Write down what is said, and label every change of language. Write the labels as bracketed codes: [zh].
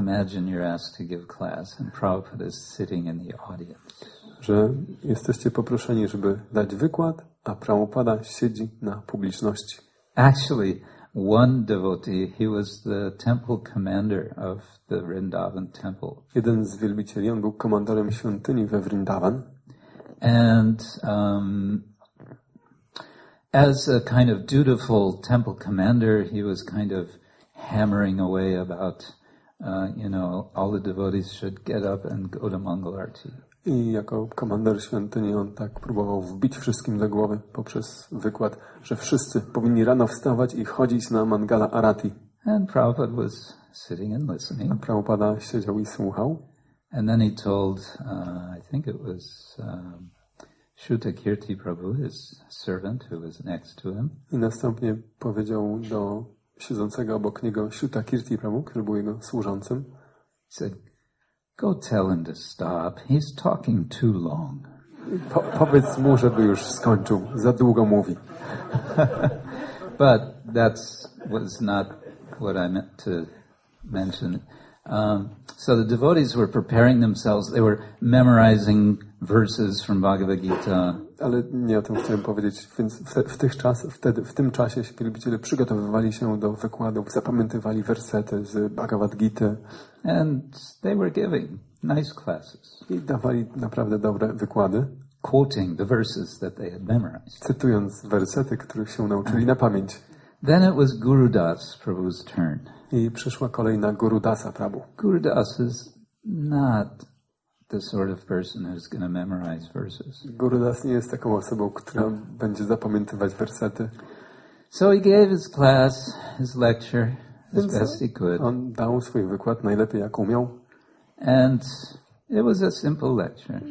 [en] Imagine you're asked to give class and Prabhupada is sitting in the audience. [pl] Że jesteście poproszeni, żeby dać wykład, a Prabhupada siedzi na publiczności. [en] Actually, one devotee, he was the temple commander of the Vrindavan temple. [pl] Jeden z wielbicieli, on był komandorem świątyni we Vrindavan. [en] And as a kind of dutiful temple commander, he was kind of hammering away about, you know, all the devotees should get up and go to Mangal Arati. [pl] I jako komandor świątyni on tak próbował wbić wszystkim do głowy poprzez wykład, że wszyscy powinni rano wstawać i chodzić na Mangala Arati. [en] And Prabhupada was sitting and listening. [pl] A Prabhupada siedział i słuchał. [en] And then he told, I think it was Shuta Kirti Prabhu, his servant who was next to him. [pl] I następnie powiedział do siedzącego obok niego Shuta Kirti Prabhu, który był jego służącym. [en] Said, go tell him to stop. He's talking too long. [pl] Powiedz mu, żeby już skończył. Za długo mówi. [en] But that was not what I meant to mention. So the devotees were preparing themselves. They were memorizing verses from Bhagavad Gita. [pl] Ale nie o tym chciałem powiedzieć. Więc w tym czasie wielbiciele przygotowywali się do wykładów, zapamiętywali wersety z Bhagavad Gita. [en] And they were giving nice classes. [pl] I dawali naprawdę dobre wykłady. [en] Quoting the verses that they had memorized. [pl] Cytując wersety, których się nauczyli na pamięć. [en] Then it was Gurudas Prabhu's turn. [pl] I przyszła kolej na Gurudasa Prabhu. [en] Gurudas is not the sort of person who's going to memorize verses. [pl] Gurudas nie jest taką osobą, która będzie zapamiętywać wersety. [en] So he gave his class, his lecture, as best he could. [pl] On dał swój wykład najlepiej, jak umiał. [en] And it was a simple lecture.